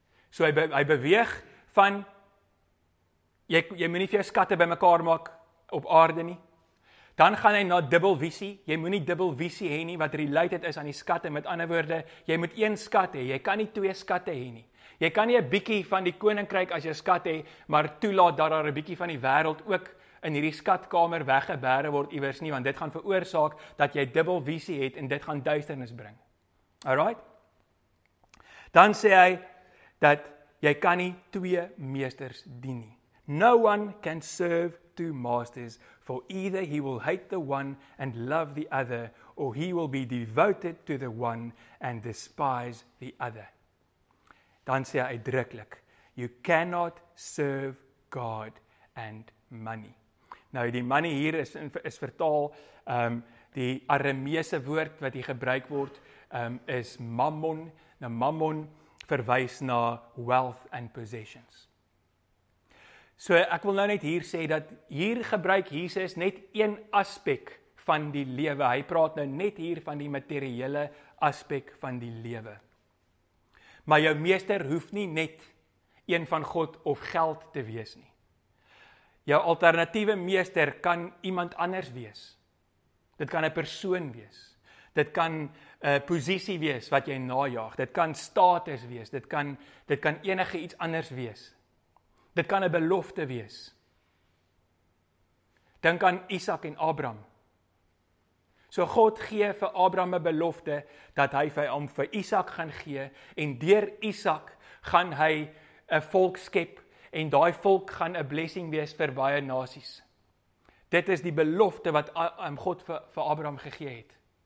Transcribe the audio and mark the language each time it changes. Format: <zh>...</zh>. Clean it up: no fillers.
<af>So hy beweeg van, jy moet nie vir jou skatte by mekaar maak op aarde nie. Dan gaan hy na dubbel visie. Jy moet nie dubbel visie hê nie wat related is aan die skatte. Met ander woorde, jy moet een skat hê. Jy kan nie twee skatte hê nie. Jy kan nie 'n bietjie van die koninkryk as jou skat hê, maar toelaat dat daar 'n bietjie van die wêreld ook in hierdie skatkamer weggebêre word iewers nie, want dit gaan veroorsaak dat jy dubbel visie het en dit gaan duisternis bring. Alright? Dan sê hy dat jy kan nie twee meesters dien nie.</af> <en>No one can serve two masters, for either he will hate the one and love the other, or he will be devoted to the one and despise the other.</en> <af>Dan sê hy uitdruklik,</af> <en>you cannot serve God and money.</en> <af>Nou, die money hier is vertaal, die Arameese woord wat hier gebruik word, is mammon. Nou, mammon verwys na</af> <en>wealth and possessions.</en> <af>So ek wil nou net hier sê dat hier gebruik Jesus net een aspek van die lewe. Hy praat nou net hier van die materiële aspek van die lewe. Maar jou meester hoef nie net een van God of geld te wees nie. Jou alternatiewe meester kan iemand anders wees. Dit kan 'n persoon wees. Dit kan 'n posisie wees wat jy najaag. Dit kan status wees. Dit kan enige iets anders wees. Dit kan 'n belofte wees. Dink aan Isak en Abraham. So God gee vir Abraham 'n belofte dat hy vir hom vir Isak gaan gee en deur Isak gaan hy 'n volk skep en daai volk gaan 'n blessing wees vir baie nasies. Dit is die belofte wat God vir Abraham gegee het.</af>